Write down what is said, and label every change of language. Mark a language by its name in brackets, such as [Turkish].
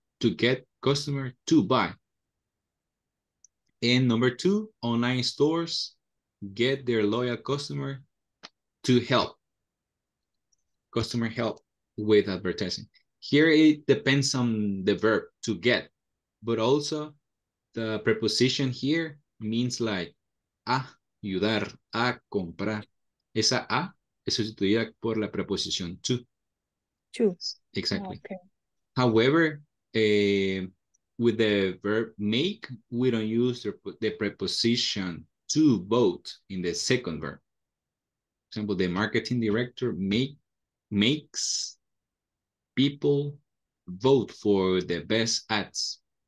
[English] To get customer to buy. And number two, online stores get their loyal customer to help. Customer help with advertising. Here, it depends on the verb to get, but also the preposition here means like [Spanish] a ayudar, a comprar. Esa a es sustituida por la preposición to. [English] To. Exactly. Okay. However, with the verb make, we don't use the preposition to vote in the second verb. For example, the marketing director makes people vote for the best ads.